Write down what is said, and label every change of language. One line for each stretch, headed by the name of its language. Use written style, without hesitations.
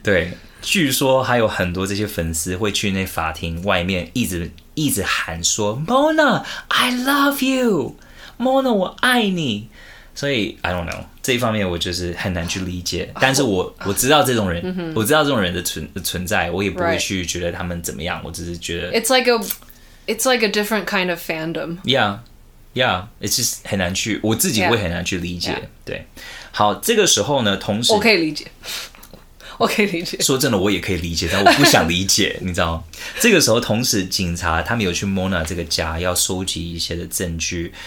Chinese: 对，据说还有很多这些粉丝会去那法庭外面一直喊说 ：
English: “Mona, I love you, Mona，
Chinese: 我爱你。” 所以
English: I don't know
Chinese: 这一方面，我就是很难去理解。但是我知道这种人，我知道这种人的存在，我也不会去觉得他们怎么样。我只是觉得
English: It's like a different kind of fandom. Yeah. Yeah, it's just
Chinese: 很难去，我自己会很难去理解。
English: Yeah.
Chinese: 对，好，这个时候呢，同时我可以理解，我可以理解。说真的，我也可以理解，但我不想理解，你知道吗？这个时候，同时警察他们有去 Mona 这个家，要收集一些的证据。